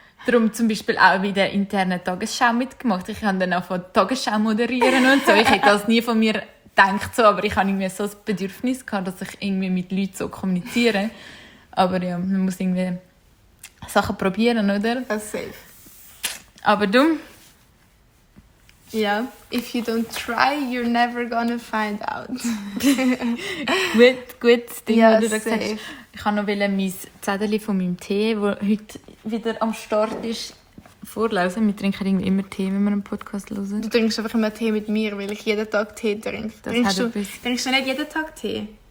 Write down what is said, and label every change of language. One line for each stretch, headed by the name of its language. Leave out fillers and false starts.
German: Darum zum Beispiel auch bei der internen Tagesschau mitgemacht. Ich habe dann auch von Tagesschau moderieren und so. Ich hätte das nie von mir gedacht, so, aber ich hatte irgendwie so ein Bedürfnis gehabt, dass ich irgendwie mit Leuten so kommuniziere. Aber ja, man muss irgendwie Sachen probieren, oder? Das ist safe. Aber du?
English: Ja, if you don't try, you're never gonna find out.
German: Gut, Ding, ja, du gesagt hast. Ich wollte noch mein Zettel von meinem Tee, der heute wieder am Start ist, vorlesen. Wir trinken irgendwie immer Tee, wenn wir einen Podcast hören. Du trinkst einfach immer Tee mit mir, weil ich jeden Tag Tee trinke. Trinkst du nicht jeden Tag Tee?